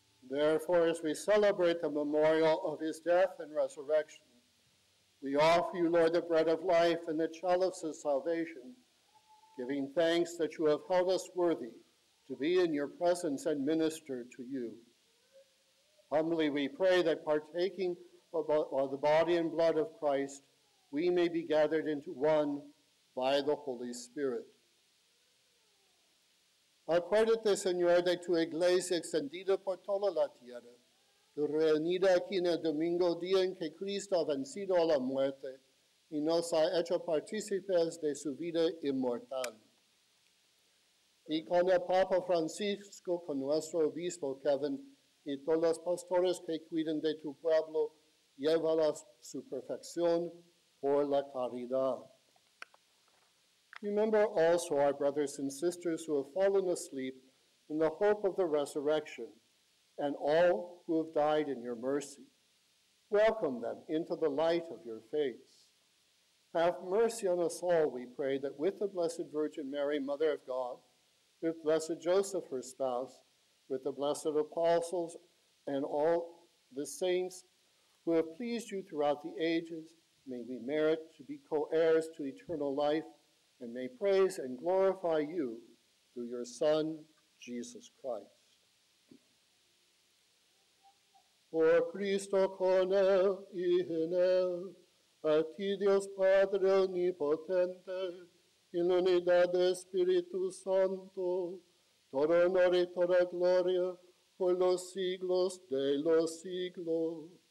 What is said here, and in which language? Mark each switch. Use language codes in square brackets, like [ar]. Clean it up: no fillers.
[en] Therefore, as we celebrate the memorial of his death and resurrection, we offer you, Lord, the bread of life and the chalice of salvation, giving thanks that you have held us worthy to be in your presence and minister to you. Humbly we pray that partaking of the body and blood of Christ, we may be gathered into one by the Holy Spirit. [es] Acuérdate, Señor, de tu iglesia extendida por toda la tierra, reunida aquí en el domingo, día en que Cristo ha vencido a la muerte y nos ha hecho partícipes de su vida inmortal. Y con el Papa Francisco, con nuestro obispo Kevin, y todos los pastores que cuidan de tu pueblo, llévala su perfección por la caridad. [en] Remember also our brothers and sisters who have fallen asleep in the hope of the resurrection, and all who have died in your mercy. Welcome them into the light of your face. Have mercy on us all, we pray, that with the Blessed Virgin Mary, Mother of God, with Blessed Joseph, her spouse, with the blessed apostles and all the saints who have pleased you throughout the ages, may we merit to be co-heirs to eternal life and may praise and glorify you through your Son, Jesus Christ. [es] Por Cristo con él y en él, a ti Dios Padre omnipotente, en la unidad de Espíritu Santo, todo honor y toda gloria por los siglos de los siglos.